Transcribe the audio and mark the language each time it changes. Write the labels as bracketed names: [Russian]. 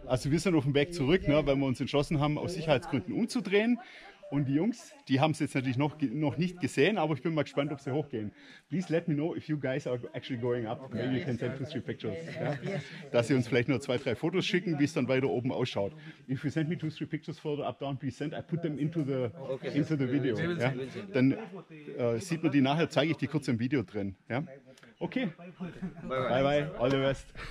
[German] Also wir sind auf dem Weg zurück, ne, weil wir uns entschlossen haben, aus Sicherheitsgründen umzudrehen. Und die Jungs, die haben es jetzt natürlich noch nicht gesehen, aber ich bin mal gespannt, ob sie hochgehen. [English] Please let me know if you guys are actually going up. Okay. Maybe you can send 2-3 pictures. Yeah. [German] Dass sie uns vielleicht nur 2-3 Fotos schicken, wie es dann weiter oben ausschaut. [English] If you send me 2-3 pictures further up down, please send, I put them into the video. Yeah. [German] Dann sieht man die nachher, zeige ich die kurz im Video drin. Yeah. [English] Okay, bye bye, all the best.